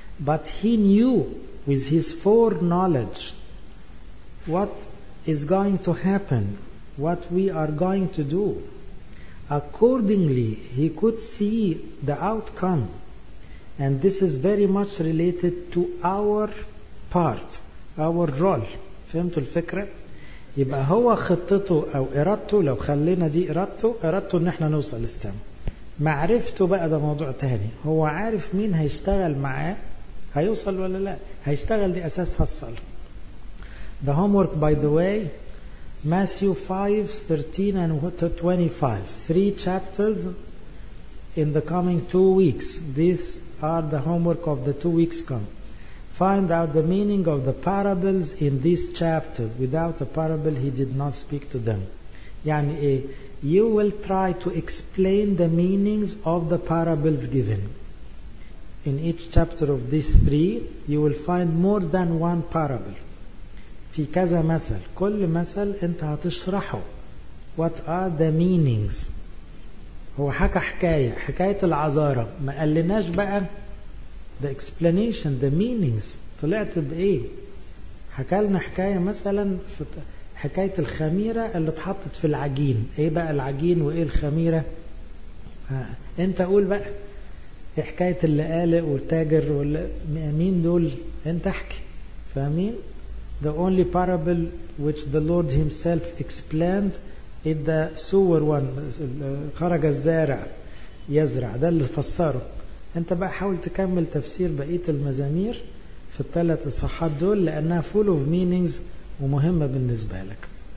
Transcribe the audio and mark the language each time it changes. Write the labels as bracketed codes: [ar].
[en] But He knew with His foreknowledge what is going to happen, what we are going to do. Accordingly, He could see the outcome. And this is very much related to our part, our role. [ar] فهمتوا الفكرة؟ يبقى هو خطته أو إرادته, لو خلينا دي إرادته, إرادته إن احنا نوصل للسماء. معرفته بقى ده موضوع تاني, هو عارف مين هيشتغل معاه, هيوصل ولا لا, هيشتغل دي أساس هالصلاة. [en] The homework by the way, Matthew 5:13 and 25, three chapters in the coming 2 weeks. These are the homework of the 2 weeks come. Find out the meaning of the parables in this chapter. Without a parable, he did not speak to them. [ar] يعني إيه؟ [en] You will try to explain the meanings of the parables given. In each chapter of these three, you will find more than one parable. [ar] في كذا مثل. كل مثل أنت هتشرحه. [en] What are the meanings? [ar] هو حكى حكاية. حكاية العذارة. ما قلناش بقى [en] the explanation, the meanings. [ar] طلعت بإيه؟ حكالنا حكاية مثلا في حكاية الخميرة اللي اتحطت في العجين, إيه بقى العجين وإيه الخميرة؟ أنت قول بقى حكاية اللي قالق والتاجر مين دول؟ أنت احكي. فاهمين؟ [en] The only parable which the Lord himself explained is the sower one, [ar] خرج الزارع يزرع, ده اللي فسره. انت بقى حاول تكمل تفسير بقية المزامير في الثلاث الصفحات دول, لانها [en] full of meanings [ar] ومهمة بالنسبة لك.